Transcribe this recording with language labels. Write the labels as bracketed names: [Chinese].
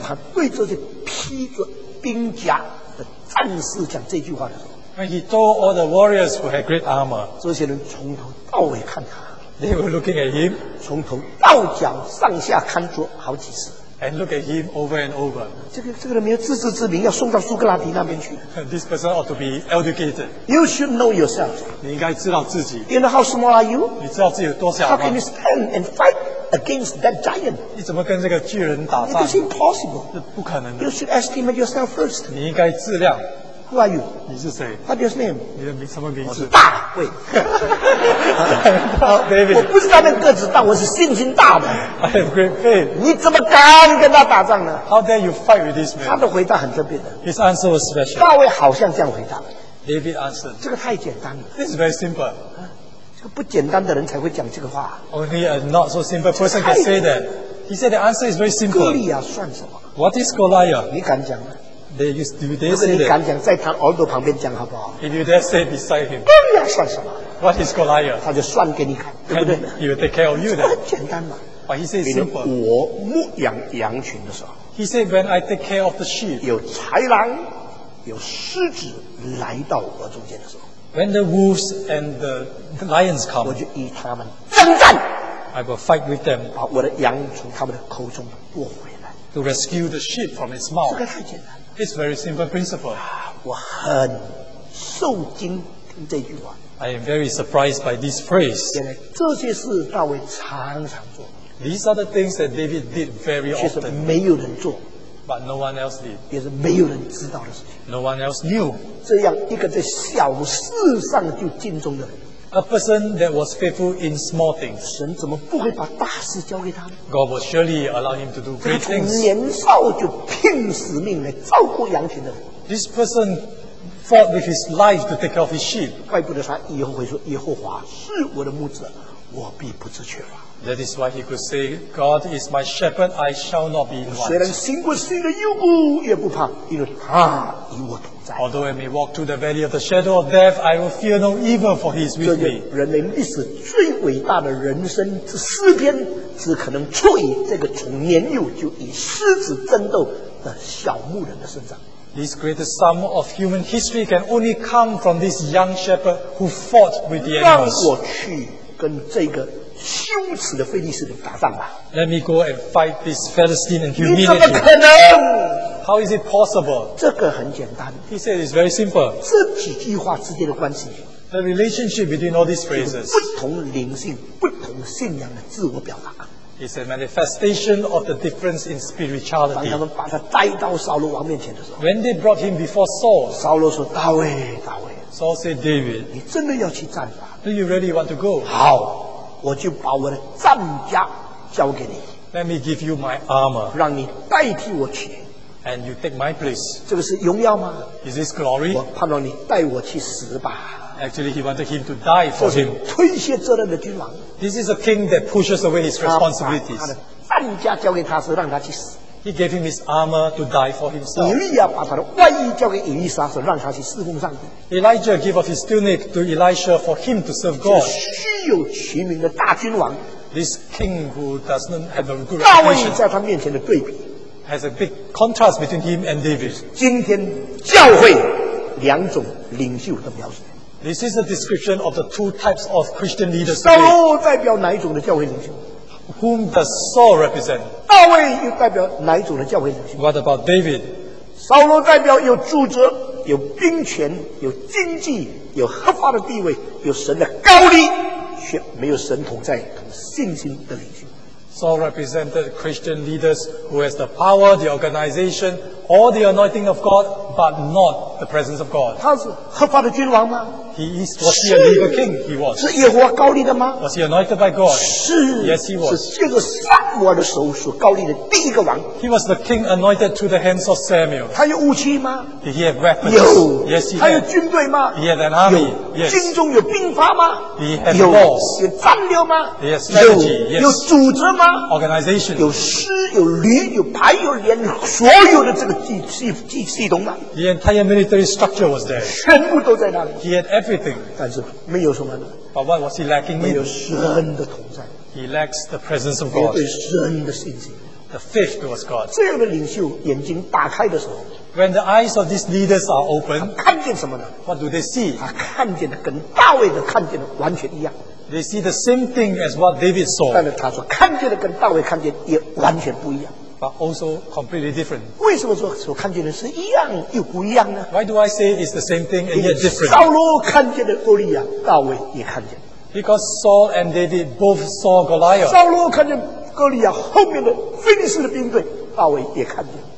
[Chinese] 他对着这披着兵甲的战士讲这句话的时候。 [English] And he told all the warriors who had great armor. [Chinese] 这些人从头到尾看他。 [English] They were looking at him. [Chinese] 从头到脚上下看着好几次。 [English] And look at him over and over. [Chinese] 这个人没有自知之明，要送到苏格拉底那边去。 [English] This person ought to be educated. You should know yourself. [Chinese] 你应该知道自己。 [English] You know how small are you? [Chinese] 你知道自己有多小吗？ [English] How can you stand and fight against that giant? [Chinese] 你怎么跟这个巨人打仗？ [English] It is impossible. [Chinese] 这不可能的。 [English] You should estimate yourself first. [Chinese] 你应该自量。 [English] Who are you? [Chinese] 你是谁？ [English] What's your name? [Chinese] 你的名什么名字？我是大卫。 [English] David. [Chinese] 我不是那边个子大，我是信心大的。 [English] I have great faith. [Chinese] 你怎么敢跟他打仗呢？ [English] How dare you fight with this man? [Chinese] 他的回答很特别的。 [English] His answer was special. [Chinese] 大卫好像这样回答。 [English] David answered. [Chinese] 这个太简单了。 [English] This is very simple. [Chinese] 这个不简单的人才会讲这个话。 [English] Only a not so simple person can say that. He said the answer is very simple. [Chinese] 哥利亚算什么？ [English] What is Goliath? [Chinese] 你敢讲吗？ [English] They used, do they say [Chinese] 如果你敢讲，在他耳朵旁边讲，好不好 [English] ？If you dare say beside him, [Chinese] 哥利亚算什么 [English] ？What is Goliath? [Chinese] 他就算给你看，对不对 [English] ？He will take care of you. [Chinese] 这很简单嘛。 [English] But he says simple. [Chinese] 我牧养羊群的时候 [English] ，He said when I take care of the sheep, [Chinese] 有豺狼，有狮子来到我中间的时候 [English] ，When the wolves and the lions come, [Chinese] 我就与他们征战 [English] ，I will fight with them. [Chinese] 把我的羊从他们的口中夺回来 [English] ，To rescue the sheep from its mouth. [Chinese] 这个太简单。 [English] It's very simple principle. [Chinese] 我很受惊听这句话。 [English] I am very surprised by this phrase. [Chinese] 原来这些事大卫常常做。 [English] These are the things that David did very often. [Chinese] 却是没有人做。 [English] But no one else did. [Chinese] 也是没有人知道的事情。 [English] No one else knew. [Chinese] 这样一个在小事上就敬重的人。 [English] A person that was faithful in small things. [Chinese] 神怎么不会把大事交给他呢？ [English] God will surely allow him to do great things. [Chinese] 从年少就拼死命来照顾羊群的人。 [English] This person fought with his life to take care of his sheep. [Chinese] 怪不得他以后会说：“耶和华是我的牧者，我必不致缺乏。” [English] That is why he could say, "God is my shepherd; I shall not be in want." [Chinese] 虽然行过死的幽谷，也不怕，因为他与我同。 [English] Although I may walk through the valley of the shadow of death, I will fear no evil, for he is with me. [Chinese] 这是人类历史最伟大的人生之诗篇，只可能出于这个从年幼就与狮子争斗的小牧人的身上。 [English] This greatest psalm of human history can only come from this young shepherd who fought with the animals. [Chinese] 让我去跟这个羞耻的非利士人打仗吧。 [English] Let me go and fight this Philistine and humiliate [Chinese] him. 你怎么可能？ [English] How is it possible? [Chinese] 这个很简单。 [English] He said it's very simple. [Chinese] 这几句话之间的关系。 [English] The relationship between all these phrases. [Chinese] 不同灵性、不同信仰的自我表达。 [English] It's a manifestation of the difference in spirituality. [Chinese] 当他们把他带到扫罗王面前的时候。 [English] When they brought him before Saul. [Chinese] 扫罗说：“大卫，大卫。” [English] Saul said, "David." [Chinese] 你真的要去战吗？ [English] Do you really want to go? [Chinese] 好，我就把我的战甲交给你。 [English] Let me give you my armor. [Chinese] 让你代替我去。 [English] And you take my place. [Chinese] 这个是荣耀吗？ [English] Is this glory? [Chinese] 我盼望你带我去死吧。 [English] Actually, he wanted him to die for him. [Chinese] 推卸责任的君王。 [English] This is a king that pushes away his responsibilities. [Chinese] 他把他的战甲交给他，是让他去死。 [English] He gave him his armor to die for himself. [Chinese] 以利亚把他的外衣交给以利沙，是让他去侍奉上帝。 [English] Elijah gave up his tunic to Elisha for him to serve God. [Chinese] 虚有其名的大君王。 [English] This king who does not have a good reputation. [Chinese] 大卫在他面前的对比。 [English] Has a big contrast between him and David. [Chinese] 今天教会两种领袖的描述。 [English] This is a description of the two types of Christian leaders. [Chinese] 扫罗代表哪一种的教会领袖？ [English] Whom does Saul represent? [Chinese] 大卫又代表哪一种的教会领袖？ [English] What about David? [Chinese] 扫罗代表有主责、有兵权、有经济、有合法的地位、有神的高立，却没有神同在、信心的领袖。 [English] Saul represented Christian leaders who has the power, the organization, all the anointing of God, but not the presence of God. [Chinese] 他是合法的君王吗？ [English] He is, was he a legal king? He was. [Chinese] 是耶和华高立的吗？ [English] Was he anointed by God? [Chinese] 是。 [English] Yes, he was. [Chinese] 是这个撒母耳的手所高立的第一个王。 [English] He was the king anointed through the hands of Samuel. [Chinese] 他有武器吗？ [English] Did he have weapons? [Chinese] 有。 [English] Yes, he [Chinese] had. 他有军队吗？ [English] He had an army. [Chinese] 有。 [English] Yes. [Chinese] 军中有兵法吗？ [English] He had the laws. [Chinese] 有。有战略吗？ [English] He had strategy. [Chinese] 有。 [English] Yes. [Chinese] 有组织吗？ [English] Organization. [Chinese] 有狮，有驴，有牌，有连，所有的这个系统吗？ [English] The entire military structure was there. [Chinese] 全部都在那里。 [English] He had everything. [Chinese] 但是没有什么呢？ [English] But what was he lacking? [Chinese] 没有神的同在。 [English] He lacks the presence of God. [Chinese] 没有对神的信心。 [English] The faith was God. [Chinese] 这样的领袖眼睛打开的时候， [English] When the eyes of these leaders are open, [Chinese] 他看见什么呢？ [English] What do they see? [Chinese] 他看见的跟大卫的看见的完全一样。 [English] They see the same thing as what David saw. [Chinese] 但是他说看见的跟大卫看见也完全不一样。 [English] But also completely different. [Chinese] 为什么说所看见的是一样又不一样呢？ [English] Why do I say it's the same thing and yet different? [Chinese] 扫罗看见的哥利亚，大卫也看见。 [English] Because Saul and David both saw Goliath. [Chinese] 扫罗看见哥利亚后面的非利士的兵队，大卫也看见。